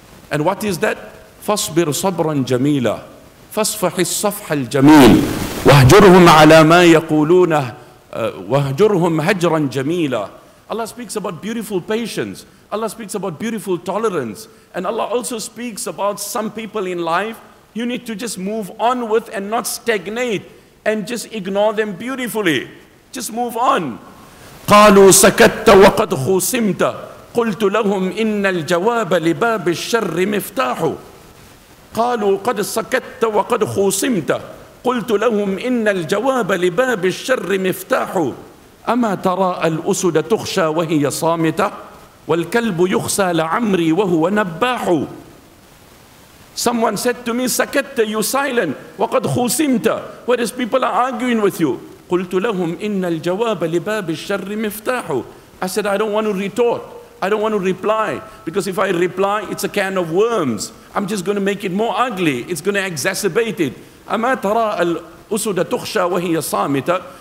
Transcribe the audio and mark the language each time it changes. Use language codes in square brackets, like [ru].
[en] And what is that? [ar] فَاصْبِرْ صَبْرًا جَمِيلًا فَاصْفَحِ الصَّفْحَ الْجَمِيلِ وَهْجُرْهُمْ عَلَى مَا يَقُولُونَ وَهْجُرْهُمْ هَجْرًا جَمِيلًا. [en] Allah speaks about beautiful patience. Allah speaks about beautiful tolerance. And Allah also speaks about some people in life you need to just move on with and not stagnate and just ignore them beautifully. Just move on. [ar] قالوا سكت وقد خصمت قلت لهم إن الجواب لباب الشر مفتاح قالوا قد سكت وقد خصمت قلت لهم إن الجواب لباب الشر مفتاح أما ترى الأسد تخشى وهي صامتة والكلب يخسى لعمري وهو نباح. [en] Someone said to me, سكت, you silent, [ar] وقد خصمت, [en] whereas people are arguing with you. [ar] قلت لهم إن الجواب لباب الشر مفتاح. [en] I said, I don't want to retort, I don't want to reply, because if I reply, it's a can of worms. I'm just going to make it more ugly, it's going to exacerbate it. [ar] أما ترى الأسد تخشى وهي صامتة.